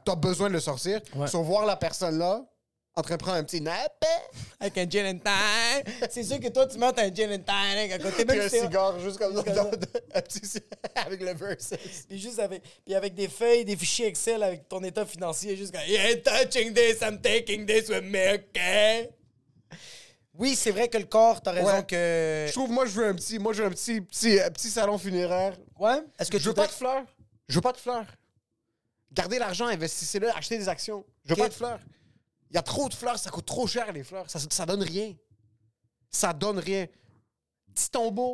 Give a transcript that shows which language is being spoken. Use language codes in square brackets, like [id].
[fr] T'as besoin de le sortir. Ouais. Sauf voir la personne là, en train de prendre un petit nap. Avec un gin and tonic. C'est sûr que toi, tu mets un gin and tonic à côté. Puis un cigare, juste comme ça. Un petit avec le versus. Puis juste avec des feuilles, des fichiers Excel avec ton état financier. Juste comme, [en] you're touching this, I'm taking this with me, OK? [fr] Oui, c'est vrai que le corps, t'as raison que. Je trouve, moi, je veux un petit salon funéraire. Ouais. Est-ce que tu veux pas de fleurs? Je veux pas de fleurs. Gardez l'argent, investissez-le, achetez des actions. Je veux pas de fleurs. Il y a trop de fleurs, ça coûte trop cher, les fleurs. Ça donne rien. Ça donne rien. Petit tombeau.